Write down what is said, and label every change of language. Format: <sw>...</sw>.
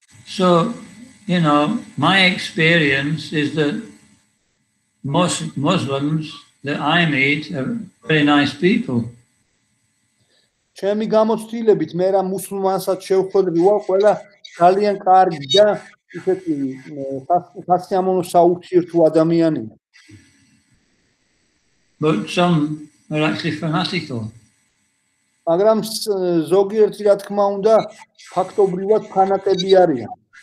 <en>So, you know, my experience is that most Muslims that I meet are very nice people.</en> <ka>ჩემი გამოცდილებით მე რა მუსულმანსაც შევხვდები, ვა ყველა ძალიან კარგი და ისეთი სასიამოვნო საურთიერთო ადამიანია.</ka> <en>But some are actually fanatical.</en> <ka>მაგრამ ზოგიერთი რა თქმა უნდა ფაქტობრივად ფანატები არიან.</ka>